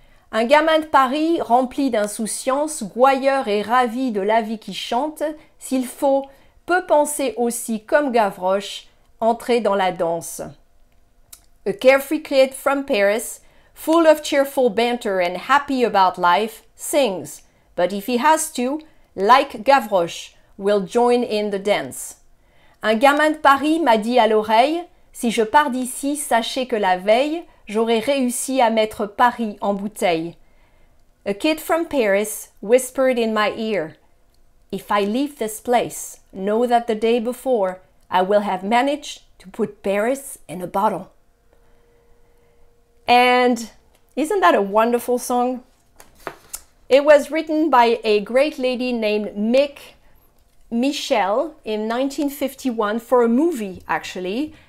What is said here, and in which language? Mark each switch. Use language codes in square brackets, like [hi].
[fr] Un gamin de Paris, rempli d'insouciance, gouailleur et ravi de la vie qui chante, s'il faut, peut penser aussi comme Gavroche, entrer dans la danse. [en] A carefree kid from Paris, full of cheerful banter and happy about life, sings. But if he has to, like Gavroche, will join in the dance. [fr] Un gamin de Paris m'a dit à l'oreille, si je pars d'ici, sachez que la veille, j'aurai réussi à mettre Paris en bouteille. [en] A kid from Paris whispered in my ear, if I leave this place, know that the day before, I will have managed to put Paris in a bottle. And isn't that a wonderful song? It was written by a great lady named Michelle in 1951 for a movie, actually.